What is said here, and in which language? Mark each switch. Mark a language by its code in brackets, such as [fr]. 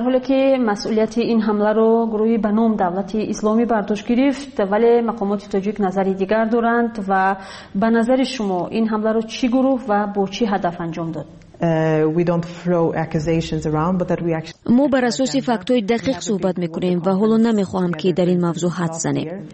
[fa] حالی که مسئولیت این حمله را گروه به نام دولت اسلامی برداشت گرفت، ولی مقامات تاجیک نظری دیگر دارند و به نظر شما این حمله را چی گروه و با چی هدف انجام داد؟ [en] We don't throw accusations around, but that we actually. [fa] ما بر اساس فکت‌های دقیق صحبت میکنیم و حالا نمیخواهم که در این موضوع حد زنیم.